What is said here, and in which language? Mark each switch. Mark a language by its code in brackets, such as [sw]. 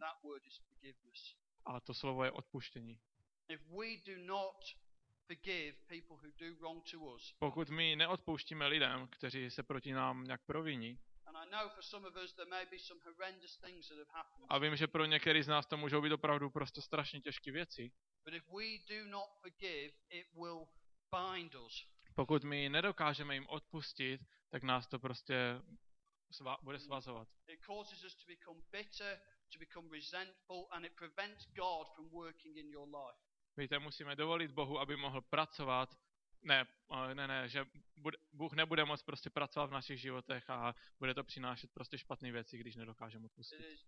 [en] That word is forgiveness. [cs] A to slovo je odpuštění. [en] If we do not forgive people who do wrong to us. [cs] Pokud my neodpouštíme lidem, kteří se proti nám nějak proviní. [en] And I know for some of us there may be some horrendous things that have happened. [cs] A vím, že pro některý z nás to můžou být opravdu prostě strašně těžké věci. [en] But if we do not forgive, it will bind us. [cs] Pokud my nedokážeme jim odpustit, tak nás to prostě bude svazovat. [en] It causes us to become bitter, to become resentful, and it prevents God from working in your life. [cs] Víte, musíme dovolit Bohu, aby mohl pracovat. Ne, že Bůh nebude moc prostě pracovat v našich životech a bude to přinášet prostě špatné věci, když nedokážeme odpustit.